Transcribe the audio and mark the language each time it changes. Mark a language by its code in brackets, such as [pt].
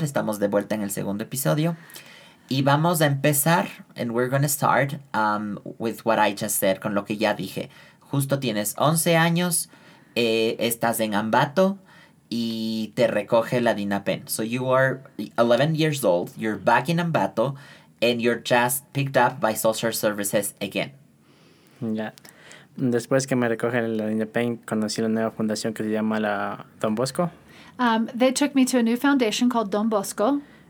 [es] Estamos de vuelta en el segundo episodio. Y vamos a empezar, [en] and we're going to start with what I just said, [es] con lo que ya dije. Justo tienes 11 años. Estás en Ambato. Y te recoge la DINAPEN. [en] So you are 11 years old, you're back in Ambato, and you're just picked up by social services again. Yeah. [es] Después que me recoge la DINAPEN, conocí la nueva fundación que se llama la Don Bosco. [en] They took me to a new foundation called Don Bosco.